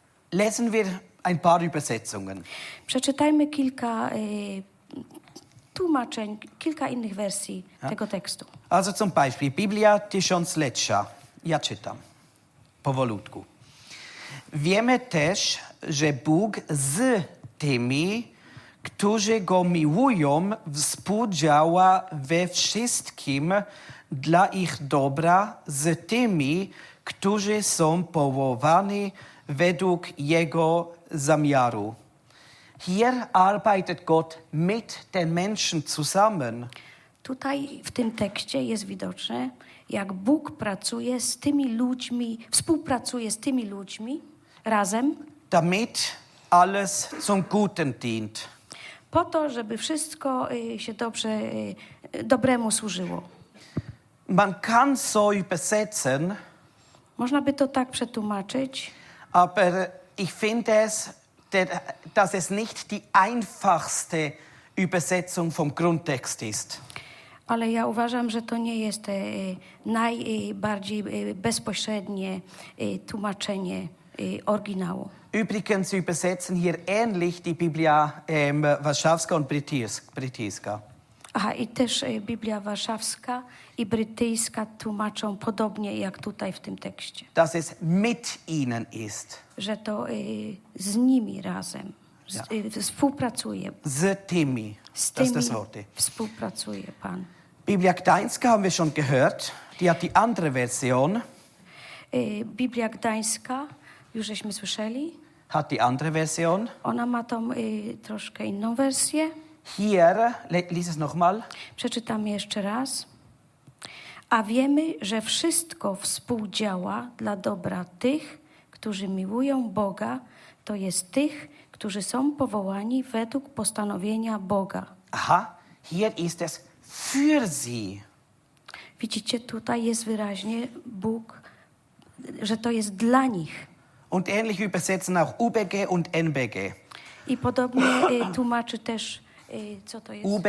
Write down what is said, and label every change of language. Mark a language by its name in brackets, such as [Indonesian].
[German] Lesen wir ein paar Übersetzungen. [Polish] Przeczytajmy kilka tłumaczeń, kilka innych wersji tego tekstu. [German] Also zum Beispiel, Biblia tysiąclecia. [Polish] Ja czytam powolutku. Wiemy też, że Bóg z tymi, którzy go miłują, współdziała we wszystkim dla ich dobra, z tymi, którzy są powołani według jego zamiaru. [German] Hier arbeitet Gott mit den Menschen zusammen. [Polish] Tutaj w tym tekście jest widoczne, jak Bóg pracuje z tymi ludźmi, współpracuje z tymi ludźmi razem. [German] Damit alles zum Guten dient. [Polish] Po to, żeby wszystko się dobrze, dobremu służyło. [German] Man kann so übersetzen. [Polish] Można by to tak przetłumaczyć. [German] Aber ich finde es, dass es nicht die einfachste Übersetzung vom Grundtext ist. [Polish] Ale ja uważam, że to nie jest najbardziej bezpośrednie tłumaczenie oryginału. [German] Übrigens übersetzen hier ähnlich die Biblia Warszawska und Brytyjska. [Polish] Aha, i też Biblia Warszawska i Brytyjska tłumaczą podobnie jak tutaj w tym tekście. [German] Dass es mit ihnen ist. [Polish] Że to z nimi razem, współpracuje. Z tymi, [German] das Wort. [Polish] Współpracuje Pan. [German] Biblia Gdańska haben wir schon gehört, die hat die andere Version. [Polish] Biblia Gdańska, już żeśmy słyszeli. [German] Hat die andere Version. [Polish] Ona ma tą troszkę inną wersję. [German] Hier, lies es nochmal. [Polish] Przeczytam jeszcze raz. A wiemy, że wszystko współdziała dla dobra tych, którzy miłują Boga, to jest tych, którzy są powołani według postanowienia Boga. [German] Aha, hier ist es für sie. [Polish] Widzicie, tutaj jest wyraźnie Bóg, że to jest dla nich. [German] Und ähnlich übersetzen auch UBG und NBG. [Polish] I podobnie tłumaczy też co to jest?